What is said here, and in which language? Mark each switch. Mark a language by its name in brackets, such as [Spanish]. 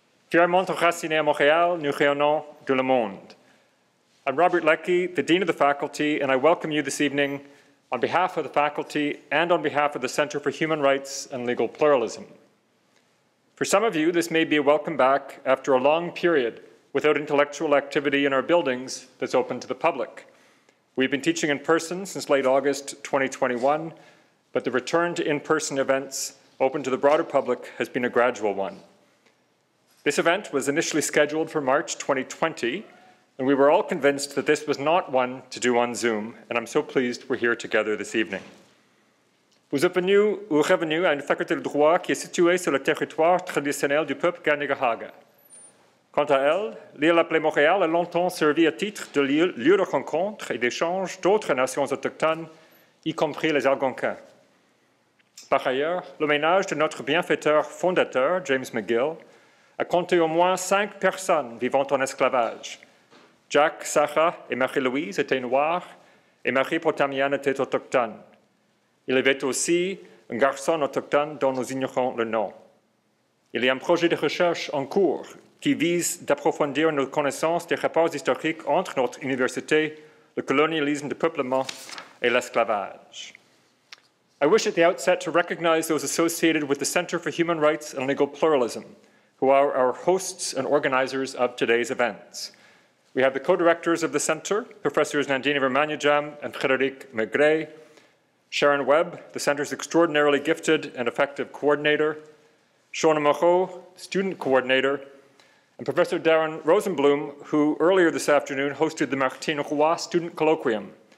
[French] Fièrement enracinés à Montréal, nous rayonnons dans le monde. [English] I'm Robert Leckie, the Dean of the Faculty, and I welcome you this evening on behalf of the faculty and on behalf of the Center for Human Rights and Legal Pluralism. For some of you, this may be a welcome back after a long period without intellectual activity in our buildings that's open to the public. We've been teaching in person since late August 2021, but the return to in-person events open to the broader public has been a gradual one. This event was initially scheduled for March 2020, and we were all convinced that this was not one to do on Zoom, and I'm so pleased we're here together this evening. [French] Vous êtes venu ou revenu à une faculté de droit qui est située sur le territoire traditionnel du peuple Ganigahaga. Quant à elle, l'île appelée Montréal a longtemps servi à titre de lieu de rencontre et d'échange d'autres nations autochtones, y compris les Algonquins. Par ailleurs, le ménage de notre bienfaiteur fondateur, James McGill, a compté au moins 5 personnes vivant en esclavage. Jack, Sarah et Marie-Louise étaient noirs et Marie-Potamienne était autochtone. Il y avait aussi un garçon autochtone dont nous ignorons le nom. Il y a un projet de recherche en cours qui vise d'approfondir nos connaissances des rapports historiques entre notre université, le colonialisme de peuplement et l'esclavage. [English] I wish at the outset to recognize those associated with the Center for Human Rights and Legal Pluralism, who are our hosts and organizers of today's events. We have the co-directors of the center, Professors Nandini Vermanujam and Frédéric Maigret, Sharon Webb, the center's extraordinarily gifted and effective coordinator, Shona Moreau, student coordinator, and Professor Darren Rosenblum, who earlier this afternoon hosted the Martine Roy Student Colloquium.